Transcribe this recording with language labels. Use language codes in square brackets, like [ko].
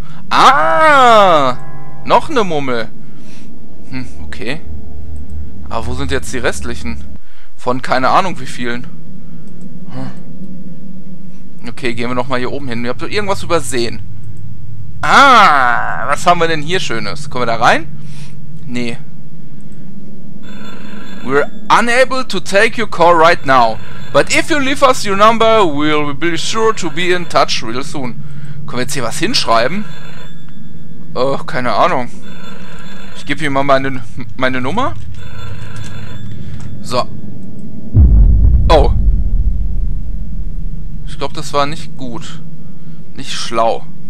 [de] Ah! Noch eine Mummel. Okay. Aber wo sind jetzt die restlichen? Von keine Ahnung wie vielen. Okay, gehen wir nochmal hier oben hin. Ihr habt doch irgendwas übersehen. Ah, was haben wir denn hier Schönes? Kommen wir da rein? Nee. [en] We're unable to take your call right now. But if you leave us your number, we'll be sure to be in touch real soon. [de] Können wir jetzt hier was hinschreiben? Oh, keine Ahnung. Ich gebe hier mal meine Nummer. So. Oh. Ich glaube, das war nicht gut. Nicht schlau.